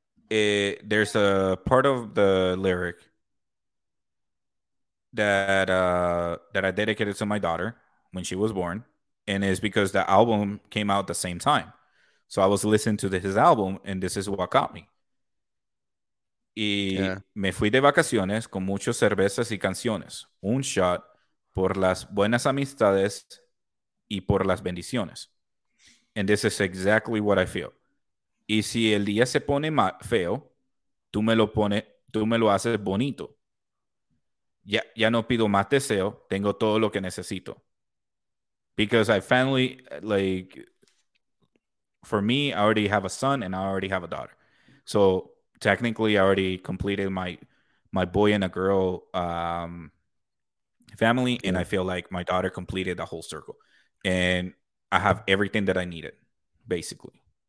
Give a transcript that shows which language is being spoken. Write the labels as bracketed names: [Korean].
[English] There's a part of the lyric that I dedicated to my daughter when she was born. And it's because the album came out the same time. So I was listening to his album, and this is what got me. [Spanish] Me fui de vacaciones con muchas cervezas y canciones. Un shot. Por las buenas amistades y por las bendiciones. [English] And this is exactly what I feel. [Spanish] Y si el día se pone feo, tú me lo haces bonito. Ya no pido más deseo, tengo todo lo que necesito. [English] Because I finally, like, for me, I already have a son and I already have a daughter. So technically, I already completed my boy and a girl family, and I feel like my daughter completed the whole circle, and I have everything that I needed, basically.